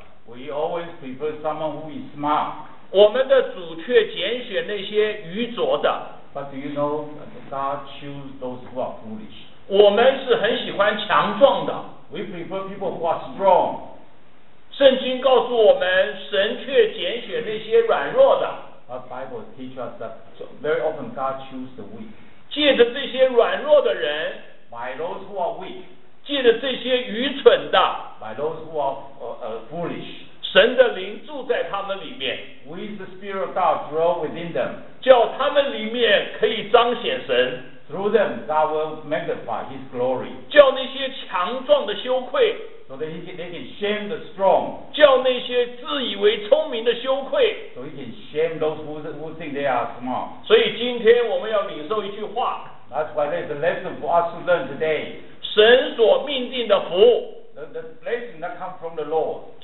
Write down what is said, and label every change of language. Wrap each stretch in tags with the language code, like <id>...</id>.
<en>We always prefer someone who is smart.</en> <zh>我们的主却拣选那些愚拙的。</zh> <en>But do you know God choose those who are foolish?</en> <zh>我们是很喜欢强壮的。</zh> <en>We prefer people who are strong.</en> <zh>圣经告诉我们，神却拣选那些软弱的。</zh> <en>Our Bible teaches us that very often God chooses the weak.</en> <zh>借着这些软弱的人，</zh> <en>by those who are weak.</en> <zh>借着这些愚蠢的，</zh> <en>by those who are foolish.</en> <zh>神的灵住在他们里面，</zh> <en>with the Spirit of God dwell within them.</en> <zh>叫他们里面可以彰显神。</zh> <en>Through them, God will magnify His glory.</en> <zh>叫那些强壮的羞愧。</zh> <en>So that they can shame the strong.</en> <zh>叫那些自以为聪明的羞愧。</zh> <en>So he can shame those who think they are smart.</en> <zh>所以今天我们要领受一句话。</zh> <en>That's why there's a lesson for us to learn today.</en> <zh>神所命定的福。</zh> <en>The blessing that comes from the Lord.</en>